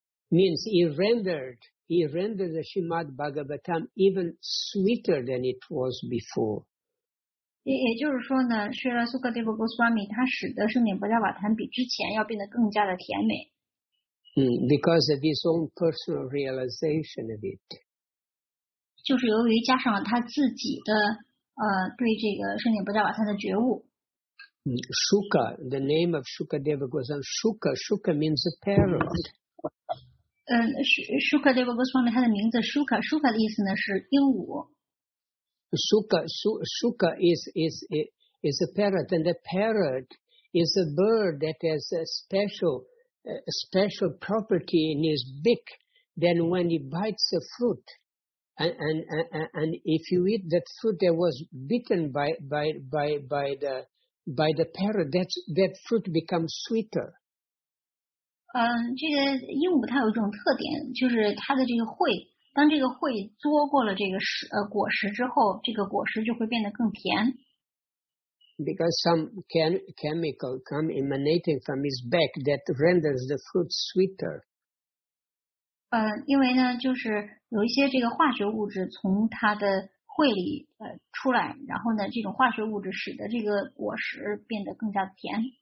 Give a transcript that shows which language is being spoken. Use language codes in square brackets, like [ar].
[en] Means he rendered the Srimad Bhagavatam even sweeter than it was before. [zh] 也就是说呢，Srila Sukadeva Goswami 他使得圣典波迦瓦坛比之前要变得更加的甜美。 [en] Because of his own personal realization of it. [zh] 就是由于加上了他自己的对这个圣典波迦瓦坛的觉悟。 [en] Shuka, the name of Sukadeva Goswami. Shuka means a parrot. Sukadeva Goswami, his name is Shuka. [zh] Shuka 的意思呢是鹦鹉。 [en] Shuka is a parrot, and a parrot is a bird that has a special property in his beak. Then when he bites a fruit. And if you eat that fruit that was bitten by the parrot, that fruit becomes sweeter. [zh] 这个鹦鹉它有一种特点，就是它的这个喙，当这个喙嘬过了这个果实之后，这个果实就会变得更甜。 [en] because some chemical come emanating from his back that renders the fruit sweeter. [zh] 因为呢，就是有一些这个化学物质从他的喙里出来，然后呢，这种化学物质使得这个果实变得更加甜。